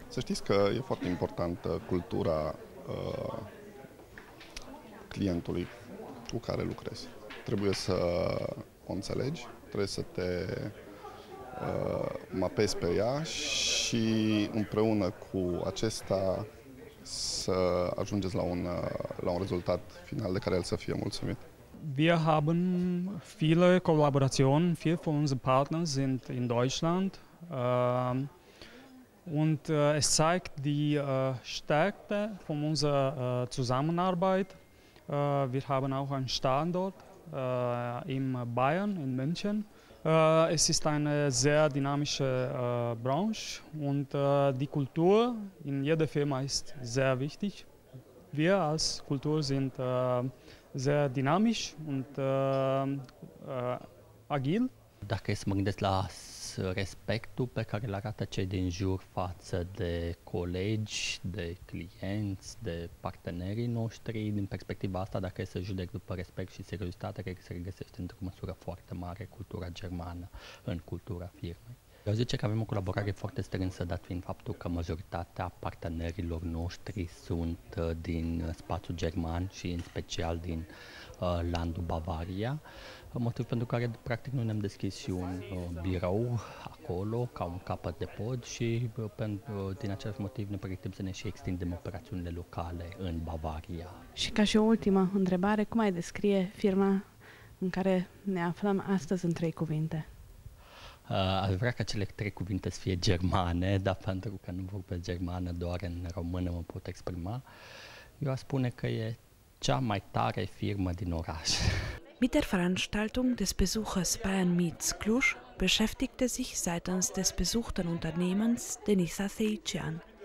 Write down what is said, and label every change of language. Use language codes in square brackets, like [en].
[ro] Să știți că e foarte importantă cultura clientului cu care lucrezi. Trebuie să o înțelegi, trebuie să te mapezi pe ea și împreună cu acesta să ajungeți la un rezultat final de care el să fie mulțumit. [de] Wir haben viele Kollaborationen, viel von unseren Partnern sind in Deutschland und es zeigt die Stärke von unserer Zusammenarbeit. Wir haben auch einen Standort in Bayern, in München. Es ist eine sehr dynamische Branche und die Kultur in jeder Firma ist sehr wichtig. Wir als Kultur sind sehr dynamisch und agil. [ro] Dacă mă gândesc la respectul pe care îl arată cei din jur față de colegi, de clienți, de partenerii noștri, din perspectiva asta, dacă e să judec după respect și seriozitate, cred că se regăsește într-o măsură foarte mare cultura germană în cultura firmei. Eu zice că avem o colaborare foarte strânsă, dat fiind faptul că majoritatea partenerilor noștri sunt din spațiul german și în special din Landul Bavaria, motiv pentru care practic noi ne-am deschis și un birou acolo, ca un capăt de pod și din același motiv ne pregătim să ne și extindem operațiunile locale în Bavaria. Și ca și o ultimă întrebare, cum ai descrie firma în care ne aflăm astăzi în trei cuvinte? Aș vrea ca cele trei cuvinte să fie germane, dar pentru că nu vorbesc germană, doar în română mă pot exprima. Eu aș spune că e cea mai tare firmă din oraș. [de] Mit der Veranstaltung des Besuchers Bayern Meets Cluj beschäftigte sich seitens des besuchten Unternehmens Denisa Seichian.